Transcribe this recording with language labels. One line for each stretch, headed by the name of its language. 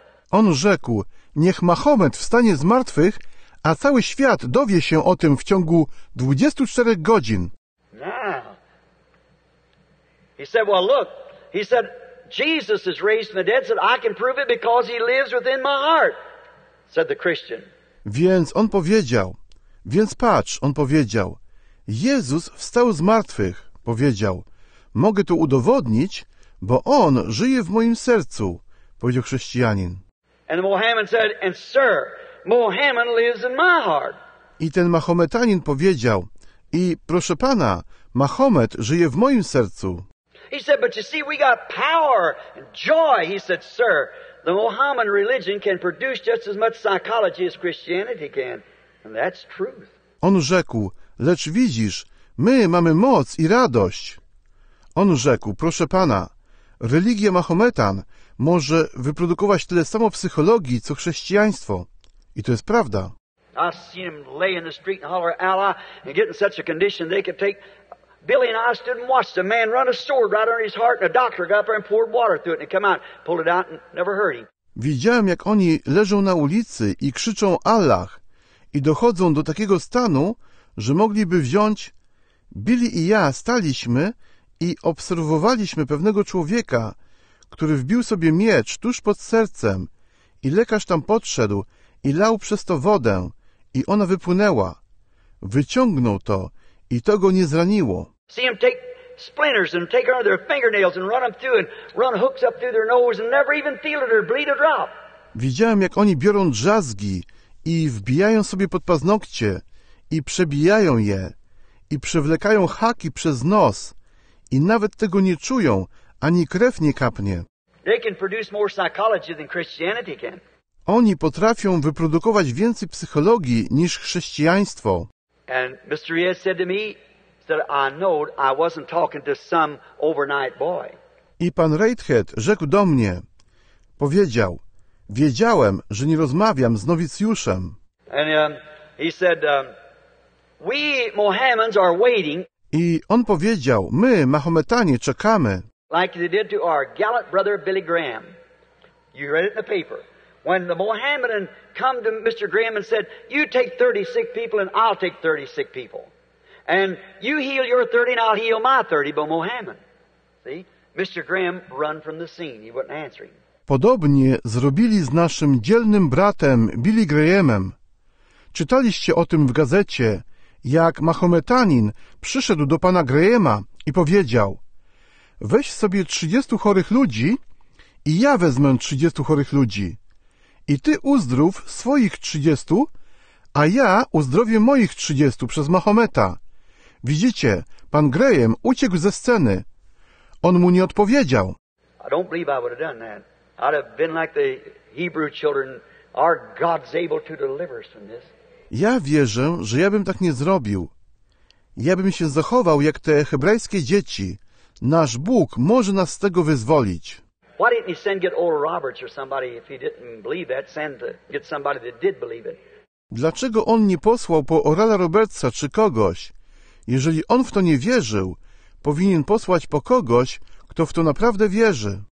Polish: On rzekł, niech Mahomet wstanie z martwych, a cały świat dowie się o tym w ciągu 24 godzin.
English: He said, well, look, he said, Jesus is raised from the dead. He said, I can prove it because he lives within my heart, said the Christian.
Polish: Więc on powiedział, więc patrz, on powiedział, Jezus wstał z martwych, powiedział, mogę to udowodnić, bo on żyje w moim sercu, powiedział chrześcijanin.
English: And Mohammed said, and sir, Mohammed lives in my heart.
Polish: I ten Mahometanin powiedział, i proszę pana, Mahomet żyje w moim sercu.
English: He said, but you see, we got power and joy. He said, sir, the Mohammedan religion can produce just as much psychology as Christianity can. And that's truth.
Polish: On rzekł, lecz widzisz, my mamy moc i radość. On rzekł, proszę pana, religia Mahometan może wyprodukować tyle samo psychologii, co chrześcijaństwo. I to jest prawda.
English: I seen him lay in the street and holler, Allah, and get in such a condition they could take... Billy and I stood and watched a man run a sword right under his heart and a doctor got up there and poured water through it and come out, pulled it out and never hurt him.
Polish: Widziałem, jak oni leżą na ulicy i krzyczą Allah i dochodzą do takiego stanu, że mogliby wziąć... Billy i ja staliśmy i obserwowaliśmy pewnego człowieka, który wbił sobie miecz tuż pod sercem i lekarz tam podszedł i lał przez to wodę i ona wypłynęła. Wyciągnął to i to go nie zraniło.
English: See him take splinters and take under their fingernails and run them through and run hooks up through their nose and never even feel it or bleed a drop.
Polish: Widziałem, jak oni biorą drzazgi i wbijają sobie pod paznokcie i przebijają je i przewlekają haki przez nos i nawet tego nie czują, ani krew nie kapnie.
English: They can produce more psychology than Christianity can.
Polish: Oni potrafią wyprodukować więcej psychologii niż chrześcijaństwo.
English: And Mr. Yes said to me, said, I know I wasn't talking to some overnight boy.
Polish: I pan Reithead rzekł do mnie, powiedział, wiedziałem, że nie rozmawiam z nowicjuszem.
English: And he said, we Mohammedans are waiting.
Polish: I on powiedział, my, Mahometanie, czekamy.
English: Like they did to our gallant brother Billy Graham. You read it in the paper. When the Mohammedan come to Mr. Graham and said, you take 30 sick people and I'll take 30 sick people. And you heal your 30 and I'll heal my 30, but Mohammed. See? Mr. Graham run from the scene. He wouldn't answer him.
Polish: Podobnie zrobili z naszym dzielnym bratem Billy Grahamem. Czytaliście o tym w gazecie, jak Mahometanin przyszedł do pana Grahama i powiedział, weź sobie 30 chorych ludzi i ja wezmę 30 chorych ludzi. I ty uzdrów swoich 30, a ja uzdrowię moich 30 przez Mahometa. Widzicie, pan Graham uciekł ze sceny. On mu nie odpowiedział.
English: I don't believe I would have done that. I'd have been like the Hebrew children. Our God's able to deliver us from this.
Polish: Ja wierzę, że ja bym tak nie zrobił. Ja bym się zachował jak te hebrajskie dzieci. Nasz Bóg może nas z tego wyzwolić.
English: Why didn't he send get old Roberts or somebody if he didn't believe that? Send to get somebody that did believe it.
Polish: Dlaczego on nie posłał po Orala Robertsa czy kogoś? Jeżeli on w to nie wierzył, powinien posłać po kogoś, kto w to naprawdę wierzy.